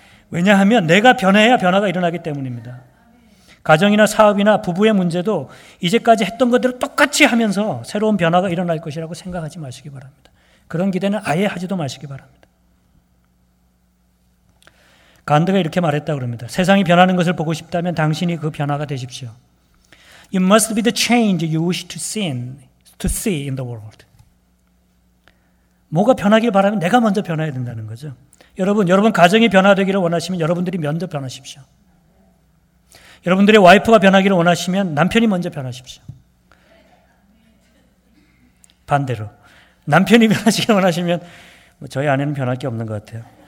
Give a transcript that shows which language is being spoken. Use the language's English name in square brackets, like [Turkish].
[Korean] 왜냐하면 내가 변해야 변화가 일어나기 때문입니다. 가정이나 사업이나 부부의 문제도 이제까지 했던 것들을 똑같이 하면서 새로운 변화가 일어날 것이라고 생각하지 마시기 바랍니다. 그런 기대는 아예 하지도 마시기 바랍니다. 간드가 이렇게 말했다고 합니다. 세상이 변하는 것을 보고 싶다면 당신이 그 변화가 되십시오. [English] You must be the change you wish to see in the world. [Korean] 뭐가 변하길 바라면 내가 먼저 변해야 된다는 거죠. 여러분 가정이 변화되기를 원하시면 여러분들이 먼저 변하십시오. 여러분들의 와이프가 변하기를 원하시면 남편이 먼저 변하십시오. 반대로 남편이 변하시기를 원하시면 뭐 저희 아내는 변할 게 없는 것 같아요.